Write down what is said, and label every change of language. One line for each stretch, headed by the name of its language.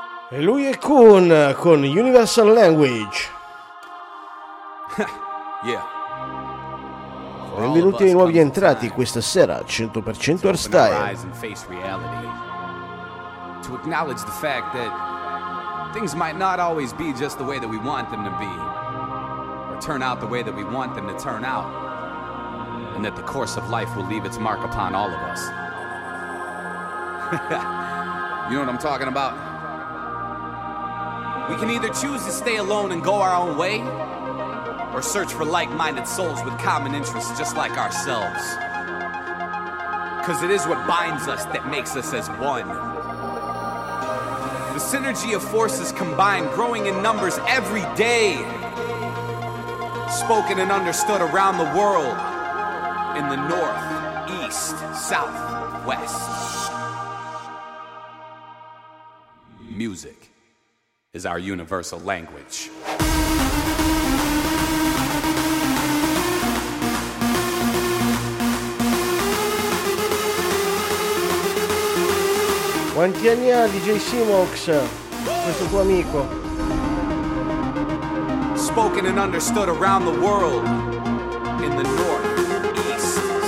Italian: E lui è Coone con Universal Language.
English: Yeah.
Italian: Benvenuti ai nuovi entrati questa sera, 100% Hardstyle.
English: Eyes and face reality. To acknowledge the fact that things might not always be just the way that we want them to be, or turn out the way that we want them to turn out, and that the course of life will leave its mark upon all of us. You know what I'm talking about? We can either choose to stay alone and go our own way, or search for like-minded souls with common interests just like ourselves. 'Cause it is what binds us that makes us as one. The synergy of forces combined, growing in numbers every day, spoken and understood around the world, in the north, east, south, west. Music is our universal language.
Italian: Quanti anni ha DJ Simox, questo tuo amico?
English: Spoken and understood around the world, in the north.